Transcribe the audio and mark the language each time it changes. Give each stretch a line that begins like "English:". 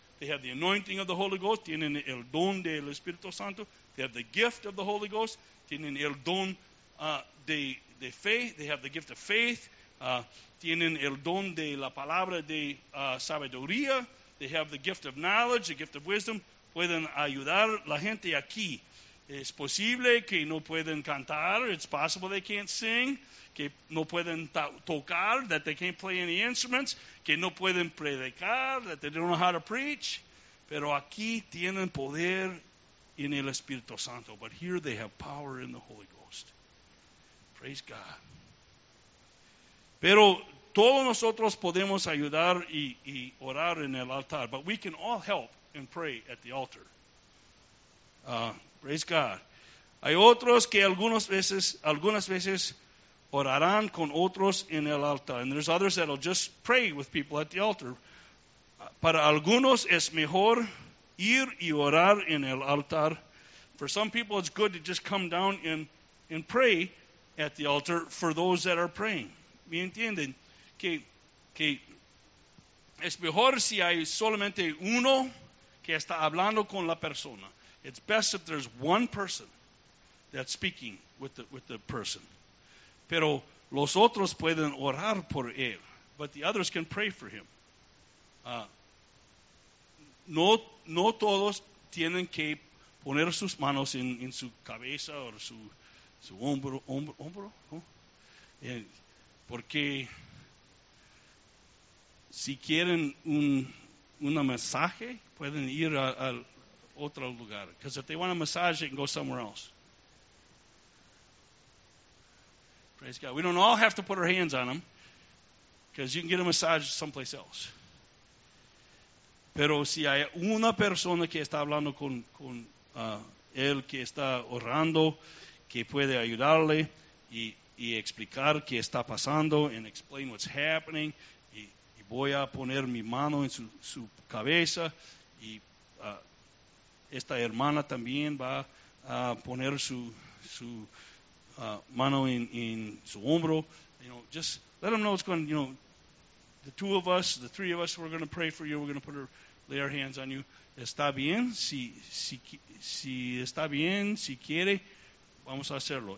English: They have the anointing of the Holy Ghost.
Spanish: Tienen el don del Espíritu Santo.
English: They have the gift of the Holy Ghost.
Spanish: Tienen el don de fe.
English: They have the gift of faith.
Spanish: Tienen el don de la palabra de sabiduría.
English: They have the gift of knowledge, the gift of wisdom.
Spanish: Pueden ayudar la gente aquí. Es posible que no pueden cantar.
English: It's possible they can't sing.
Spanish: Que no pueden tocar.
English: That they can't play any instruments.
Spanish: Que no pueden predicar.
English: That they don't know how to preach.
Spanish: Pero aquí tienen poder en el Espíritu Santo.
English: But here they have power in the Holy Ghost. Praise God.
Spanish: Pero todos nosotros podemos ayudar y orar en el altar.
English: But we can all help and pray at the altar. Praise God.
Spanish: Hay otros que algunas veces orarán con otros en el altar.
English: And there's others that will just pray with people at the altar.
Spanish: Para algunos es mejor ir y orar en el altar.
English: For some people it's good to just come down and pray at the altar for those that are praying.
Spanish: ¿Me entienden? Que es mejor si hay solamente uno que está hablando con la persona.
English: It's best if there's one person that's speaking with the person.
Spanish: Pero los otros pueden orar por él.
English: But the others can pray for him.
Spanish: No todos tienen que poner sus manos en su cabeza o su hombro. Huh? Porque si quieren un mensaje, pueden ir a otro lugar.
English: Because if they want a massage, they can go somewhere else. Praise God. We don't all have to put our hands on them. Because you can get a massage someplace else.
Spanish: Pero si hay una persona que está hablando con él, que está orando, que puede ayudarle y explicar qué está pasando,
English: and explain what's happening,
Spanish: voy a poner mi mano en su cabeza y esta hermana también va a poner su mano en su hombro.
English: You know, just let them know it's going, you know, the two of us, the three of us, we're going to pray for you. We're going to lay our hands on you.
Spanish: Está bien. Si está bien, si quiere, vamos a hacerlo.